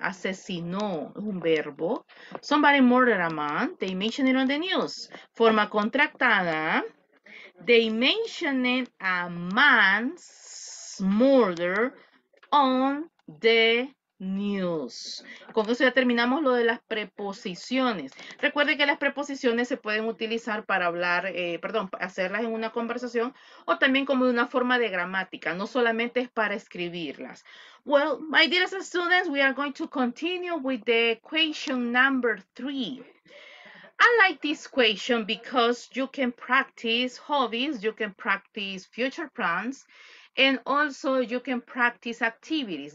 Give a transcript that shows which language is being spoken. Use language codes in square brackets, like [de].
[es] Asesinó, un verbo. [en] Somebody murdered a man. They mentioned it on the news. [es] Forma contractada. [en] They mentioned a man's murder on the news. [es] Con eso ya terminamos lo de las preposiciones. Recuerde que las preposiciones se pueden utilizar para hablar, hacerlas en una conversación o también como de una forma de gramática, no solamente es para escribirlas. [en] Well, my dear students, we are going to continue with the question number 3. I like this question because you can practice hobbies, you can practice future plans, and also you can practice activities.